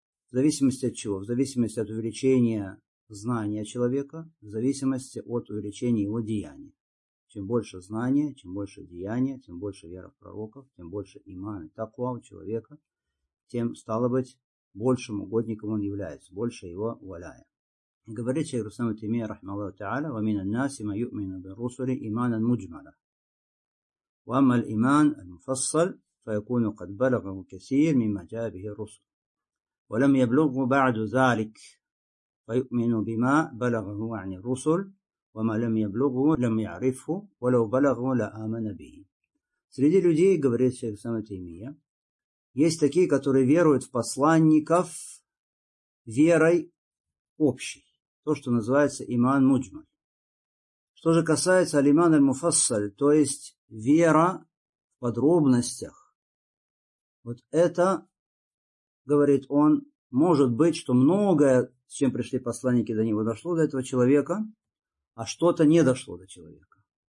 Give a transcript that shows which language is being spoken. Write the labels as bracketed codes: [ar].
[ru] В зависимости от чего? В зависимости от увеличения знания человека, в зависимости от увеличения его деяния. Чем больше знания, чем больше деяния, тем больше вера в пророков, тем больше имана и таква у человека, тем, стало быть, большим угодником он является, больше его валяя. Говорит Шейх Рустам Утаймия, рахмаллаху та'аля, [ar] وَمِنَ النَّاسِ مَا يُؤْمِنُ بِالرُّسُلِ إِمَانًا مُجْمَلًا وَأَمَّا الْإِمَانُ الْمُفَصَّلُ فَيَكُونُ قَدْ بَلَغَهُ كَثِيرٌ مِمَّا جَاءَ بِهِ الرُّسُلُ وَلَمْ يَبْلُغْهُ بَعْدُ ذَلِكَ فَيُؤْمِنُ بِمَا بَلَغَهُ عَنِ الرُّسُلِ وَمَا لَمْ يَبْلُغْهُ لَمْ يَعْرِفْهُ وَلَوْ بَلَغَهُ لَآمَنَ بِهِ. [ru] Среди людей, говорит Шейх Рустам Утаймия, есть такие, которые веруют в посланников верой общей. То, что называется иман муджмаль. Что же касается алиман аль-муфассаль, то есть вера в подробностях, вот это, говорит он, может быть, что многое, с чем пришли посланники до него, дошло до этого человека, а что-то не дошло до человека.